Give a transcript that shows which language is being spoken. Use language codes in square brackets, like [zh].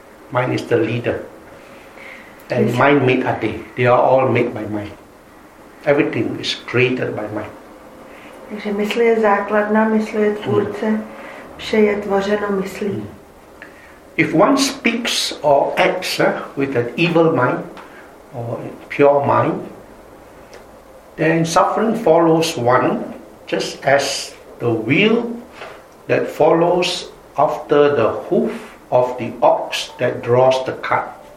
[en] Mind is the leader, and mind made ade. They are all made by mind. Everything is created by mind. [cs] Takže mysl je základna, mysl je tvůrce, vše je tvořeno myslí. [en] If one speaks or acts with an evil mind or a pure mind, then suffering follows one just as the wheel that follows after the hoof of the ox that draws the cart.